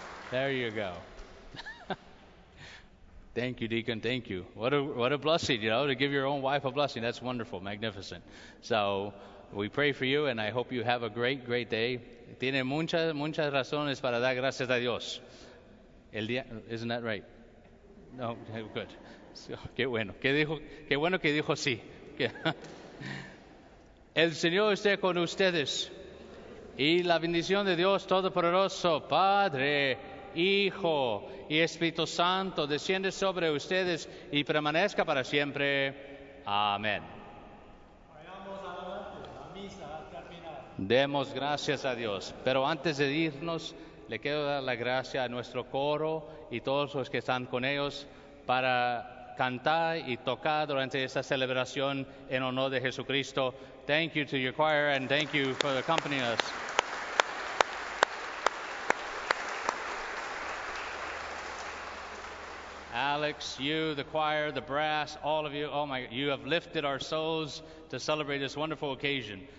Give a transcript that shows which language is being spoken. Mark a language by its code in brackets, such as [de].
[en] There you go. Thank you, Deacon. Thank you. What a blessing, you know, to give your own wife a blessing. That's wonderful, magnificent. So we pray for you, and I hope you have a great, great day. [es] Tiene muchas razones para dar gracias a Dios. [en] Isn't that right? No, good. [es] Qué bueno que dijo sí. El Señor esté con ustedes. Y la bendición de Dios Todopoderoso, Padre, Hijo y Espíritu Santo, desciende sobre ustedes y permanezca para siempre. Amén. Vayamos adelante, la misa terminada. Demos gracias a Dios. Pero antes de irnos, le quiero dar la gracia a nuestro coro y todos los que están con ellos para cantar y tocar durante esta celebración en honor de Jesucristo. [en] Thank you to your choir and thank you for accompanying us. Alex, you, the choir, the brass, all of you, oh my, you have lifted our souls to celebrate this wonderful occasion.